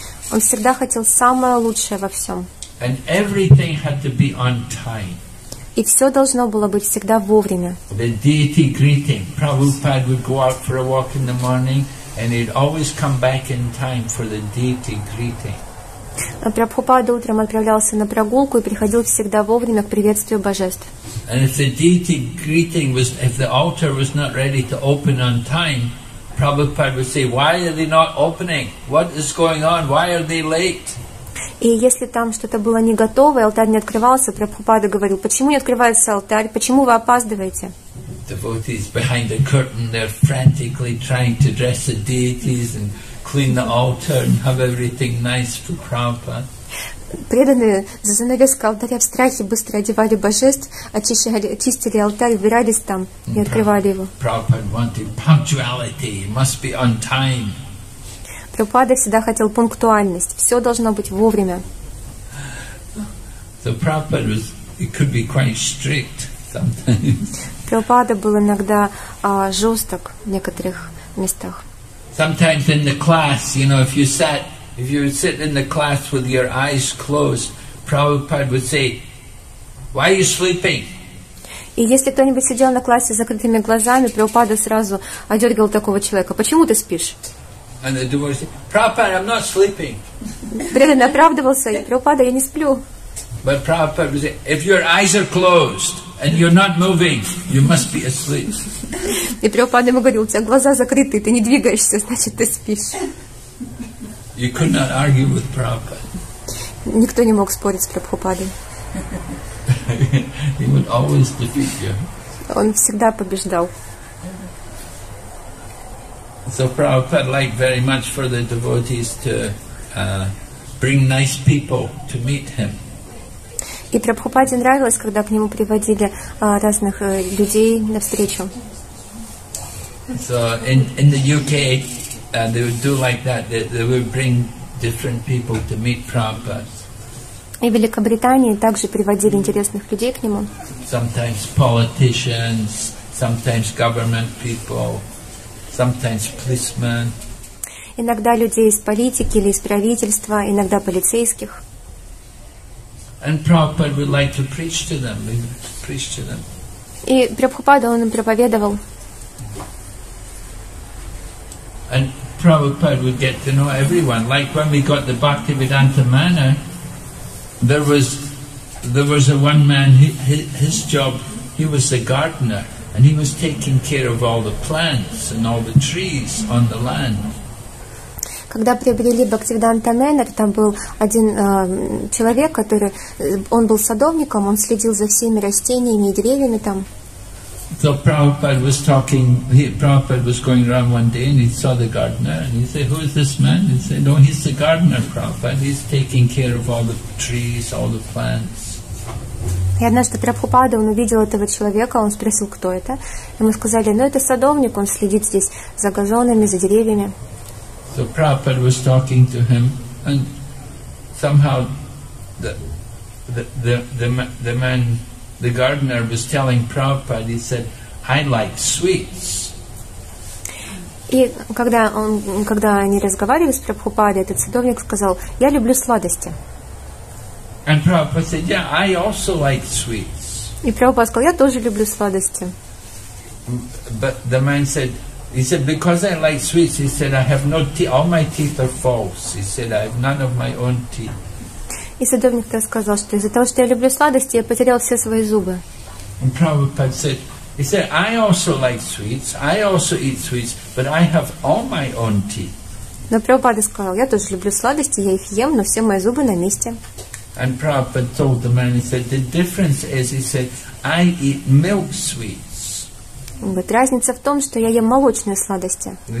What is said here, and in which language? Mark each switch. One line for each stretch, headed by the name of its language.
Russian: Он всегда хотел самое лучшее во всем.
English: And everything had to be on time.
Russian: И все должно было быть всегда вовремя.
English: The deity greeting. Prabhupada would go out for a walk in the morning, and he'd always come back in time for the deity greeting.
Russian: Прабхупада утром отправлялся на прогулку и приходил всегда вовремя к приветствию божеств.
English: And if the deity greeting was, if the altar was not ready to open on time, Prabhupada would say, "Why are they not opening? What is going on? Why are they late?"
Russian: И если там что-то было не готово, алтарь не открывался, Прабхупада говорил, почему не открывается алтарь, почему вы опаздываете?
English: Devotees behind the curtain, they're frantically trying to dress the deities and clean the altar and have everything nice for Prabhupada.
Russian: Преданные за занавеской алтаря в страхе быстро одевали божеств, очистили алтарь, убирались там и открывали его.
English: Prabhupada wanted punctuality, it must be on time.
Russian: Прабхупада всегда хотел пунктуальность. Все должно быть вовремя.
English: So Prabhupada was, he could be quite strict sometimes.
Russian: Прабхупада был иногда жесток в некоторых местах.
English: Sometimes in the class, you know, if you would sit in the class with your eyes closed, Prabhupada would say, "Why are you sleeping?"
Russian: И если кто-нибудь сидел на классе с закрытыми глазами, Прабхупада сразу одергивал такого человека. Почему ты спишь?
English: And the devotee said, "Prabhupada, I'm not sleeping."
Russian: Преданный оправдывался, Прабхупада, я не сплю.
English: But Prabhupada would say, "If your eyes are closed and you're not moving, you must be asleep."
Russian: И Прабхупада ему говорил, у тебя глаза закрыты, ты не двигаешься, значит, ты спишь.
English: You could not argue with Prabhupada.
Russian: Никто не мог спорить с Прабхупадой.
English: He would always defeat you.
Russian: Он всегда побеждал.
English: So Prabhupada liked very much for the devotees to bring nice people to meet him.
Russian: И Прабхупаде нравилось, когда к нему приводили разных людей на встречу.
English: So in the UK they would do like that. They would bring different people to meet Prabhupada.
Russian: И в Великобритании также приводили интересных людей к нему.
English: Sometimes politicians, sometimes government people. Sometimes policemen.
Russian: Иногда людей из политики или из правительства, иногда полицейских.
English: And Prabhupada would like to preach to them. Preach to them.
Russian: И Прабхупада он им проповедовал.
English: And Prabhupada would get to know everyone. Like when we got the Bhaktivedanta Manor, there was a one man. His job, he was the gardener. And he was taking care of all the plants and all the trees on the land.
Russian: Когда приобрели Бхактивиданта Мэнор, там был один человек, который он был садовником, он следил за всеми растениями и деревьями там.
English: So Prabhupada was talking. Prabhupada was going around one day and he saw the gardener and he said, "Who is this man?" He said, "No, he's the gardener, Prabhupada. He's taking care of all the trees, all the plants."
Russian: И однажды Прабхупада, он увидел этого человека, он спросил, кто это. Ему сказали, ну это садовник, он следит здесь за газонами, за деревьями.
English: So Prabhupada was talking to him, and somehow the man, the gardener was telling Prabhupada, he said, "I like sweets."
Russian: И когда они разговаривали с Прабхупадой, этот садовник сказал, "Я люблю сладости."
English: And Prabhupada said, "Yeah, I also like sweets."
Russian: И Прабхупада сказал, "Я тоже люблю сладости."
English: But the man said, "He said because I like sweets, he said I have no teeth. All my teeth are false. He said I have none of my own teeth."
Russian: И садовник сказал, что из-за того, что я люблю сладости, я потерял все свои зубы.
English: And Prabhupada said, "He said I also like sweets. I also eat sweets, but I have all my own teeth."
Russian: Но Прабхупада сказал, "Я тоже люблю сладости, я их ем, но все мои зубы на месте."
English: And Prabhupada told the man, he said, "The difference is," he said, "I eat milk sweets."
Russian: Вот разница в том, что я ем молочные сладости.